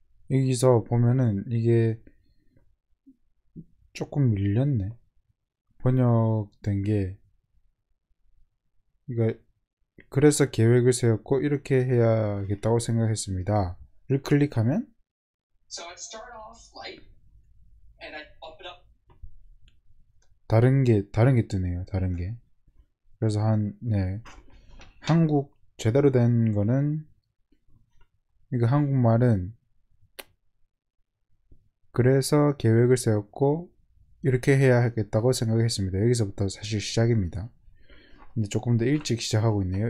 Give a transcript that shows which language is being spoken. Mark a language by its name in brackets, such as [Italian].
[Korean] 여기서 보면은 이게 조금 밀렸네. 번역된 게 이거 그래서 계획을 세웠고 이렇게 해야겠다고 생각했습니다. 를 클릭하면 [English] So I'd start off light and I'd bump it up. [Korean] 다른 게 뜨네요. 다른 게. 그래서 한 네. 한국 제대로 된 거는 이거 한국말은 그래서 계획을 세웠고 이렇게 해야 하겠다고 생각했습니다. 여기서부터 사실 시작입니다. 근데 조금 더 일찍 시작하고 있네요.